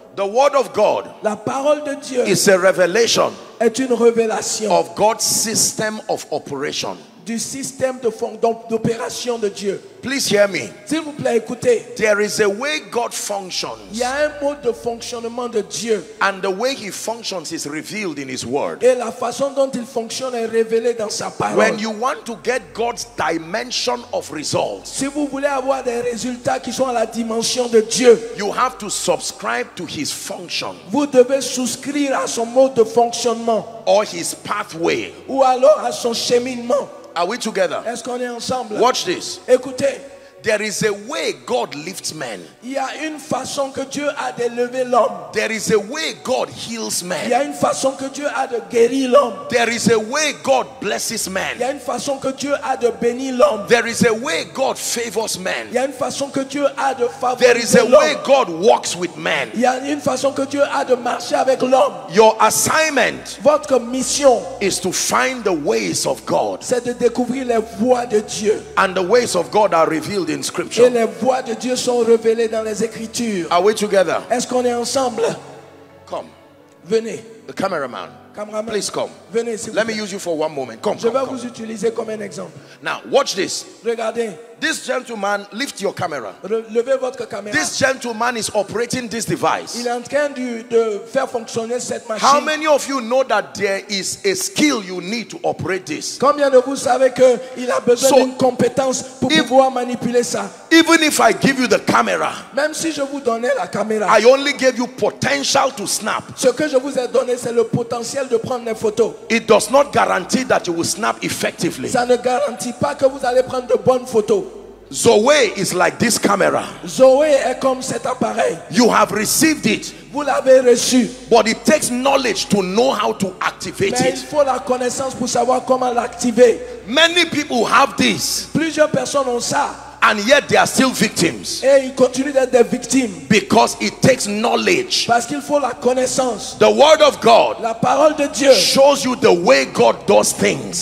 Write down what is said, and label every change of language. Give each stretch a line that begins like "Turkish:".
English: the word of God.
French: La parole de Dieu
English: is a revelation.
French: Est une révélation
English: of God's system of operation.
French: Du système de d'opération de Dieu.
English: Please hear me.
French: S'il vous plaît, écoutez.
English: There is a way God functions.
French: Il y a un mode de fonctionnement de Dieu.
English: And the way he functions is revealed in his word.
French: Et la façon dont il fonctionne est révélée dans sa parole.
English: When you want to get God's dimension of results,
French: si vous voulez avoir des résultats qui sont à la dimension de Dieu,
English: you have to subscribe to his function.
French: Vous devez souscrire à son mode de fonctionnement.
English: Or his pathway.
French: Ou alors à son cheminement.
English: Are we together?
French: Est-ce qu'on est ensemble?
English: Watch this.
French: Écoutez.
English: There is a way God lifts men.
French: Il y a une façon que Dieu a de lever l'homme.
English: There is a way God heals men.
French: Il y a une façon que Dieu a de guérir l'homme.
English: There is a way God blesses men.
French: Il y a une façon que Dieu a de bénir l'homme.
English: There is a way God favors men.
French: Il y a une façon que Dieu a de favoriser.
English: There is a way God walks with men.
French: Il y a une façon que Dieu a de marcher avec l'homme.
English: Your assignment,
French: votre mission,
English: is to find the ways of God.
French: C'est de découvrir les voies de Dieu.
English: And the ways of God are revealed in scripture.
French: Et les voies de Dieu sont révélées dans les écritures.
English: Are we together?
French: Est-ce qu'on est ensemble?
English: Come.
French: Venez.
English: The cameraman.
French: Cameraman.
English: Please come.
French: Venez, s'il vous plaît.
English: Let me use you for one moment. Come.
French: Je vais
English: come.
French: Vous utiliser comme un exemple.
English: Now, watch this.
French: Regardez.
English: This gentleman, lift your camera.
French: Levez votre caméra.
English: This gentleman is operating this device.
French: Il est en train de faire fonctionner cette machine.
English: How many of you know that there is a skill you need to operate this?
French: Combien de vous savez que il a besoin d'une compétence pour pouvoir manipuler ça?
English: Even if I give you the camera,
French: même si je vous donnais la caméra,
English: I only gave you potential to snap.
French: Ce que je vous ai donné, c'est le potentiel de prendre des photos.
English: It does not guarantee that you will snap effectively.
French: Ça ne garantit pas que vous allez prendre de bonnes photos.
English: Zoé is like this camera.
French: Zoé est comme cet appareil.
English: You have received it.
French: Vous l'avez reçu.
English: But it takes knowledge to know how to activate
French: Mais il faut la connaissance pour savoir comment l'activer.
English: Many people have this.
French: Plusieurs personnes ont ça.
English: And yet they are still victims.
French: Et ils continuent d'être des victimes.
English: Because it takes knowledge.
French: Parce qu'il faut la connaissance.
English: The word of God,
French: la parole de Dieu,
English: shows you the way God does things.